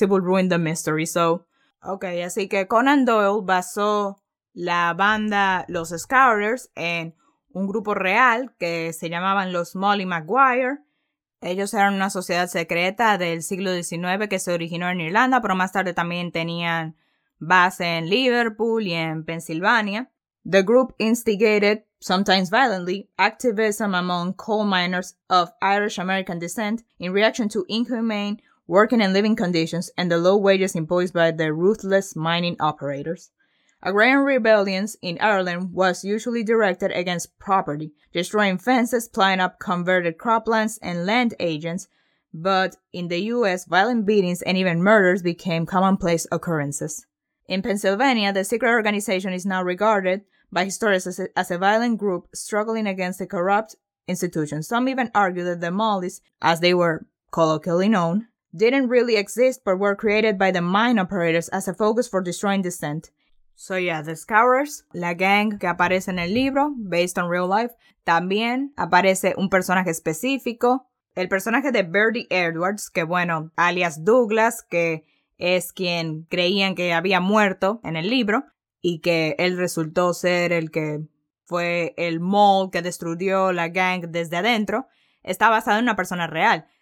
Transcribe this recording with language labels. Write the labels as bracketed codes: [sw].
[en] It will ruin the mystery, so... [es] Ok, así que Conan Doyle basó la banda Los Scourers en un grupo real que se llamaban los Molly Maguire. Ellos eran una sociedad secreta del siglo XIX que se originó en Irlanda, pero más tarde también tenían base en Liverpool y en Pensilvania. [en] The group instigated, sometimes violently, activism among coal miners of Irish-American descent in reaction to inhumane working and living conditions, and the low wages imposed by the ruthless mining operators. Agrarian rebellions in Ireland was usually directed against property, destroying fences, plying up converted croplands, and land agents, but in the U.S., violent beatings and even murders became commonplace occurrences. In Pennsylvania, the secret organization is now regarded by historians as a violent group struggling against the corrupt institutions. Some even argue that the Mollies, as they were colloquially known, didn't really exist, but were created by the mine operators as a focus for destroying dissent. So yeah, the Scourers, [es] la gang que aparece en el libro, [en] based on real life. [es] También aparece un personaje específico, el personaje de Bertie Edwards, que bueno, alias Douglas, que es quien creían que había muerto en el libro, y que él resultó ser el que fue el mole que destruyó la gang desde adentro, está basado en una persona real.